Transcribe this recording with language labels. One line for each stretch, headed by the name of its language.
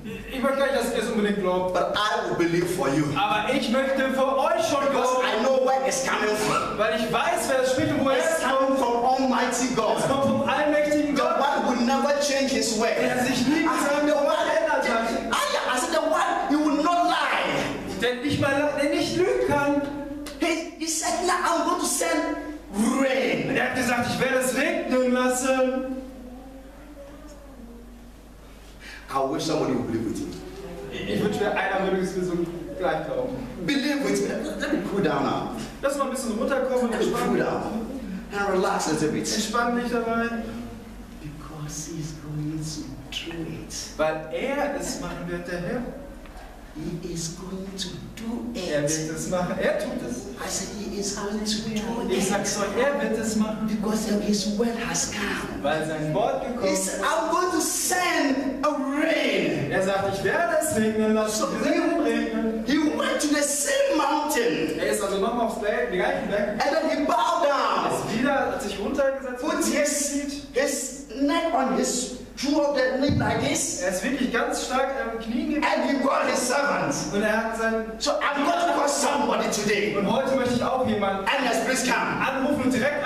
German: Ich möchte gar nicht, dass ihr es unbedingt glaubt.
English: But I will believe for you.
German: Aber ich möchte für euch schon glauben.
English: I know where it's coming from.
German: Weil ich weiß, wer es spricht und wo
English: it's
German: es kommt.
English: Coming from Almighty God.
German: Es kommt vom allmächtigen Gott.
English: The one will never change his way.
German: Der sich nie mit seinem Wort ändert hat.
English: I said the one, he will not lie.
German: Der nicht lügen kann.
English: He said, now I'm going to send rain.
German: Er hat gesagt, ich werde es regnen lassen.
English: I wish somebody would believe with me.
German: Ich wünsche mir, einer würde es mir so gleich glauben.
English: Believe with me. Let me cool down now.
German: Lass mal ein bisschen runterkommen und entspannen.
English: Cool down. And relax a little bit.
German: Entspann dich dabei.
English: Because he's going to do it.
German: Weil er es machen wird, der Herr.
English: He is going to do it.
German: Er wird es machen. Er tut es.
English: I said, he is going to do it.
German: Ich sag so, er wird es machen.
English: Because his word has come.
German: Weil sein Wort gekommen ist.
English: I'm going to send a rain.
German: Er sagt, ich werde es regnen lassen.
English: So he went to the same mountain.
German: Er ist also nochmal aufs Berg, den gleichen Berg.
English: And then he bowed down.
German: Er ist wieder, hat sich runtergesetzt.
English: Put his neck on his drew up that knee like this.
German: Er ist wirklich ganz stark am Knien
English: gegangen. And he called his servant.
German: Und er hat sein.
English: So I'm going to call somebody today.
German: Und heute möchte ich auch jemanden.
English: Anders, please come.
German: Anrufen und direkt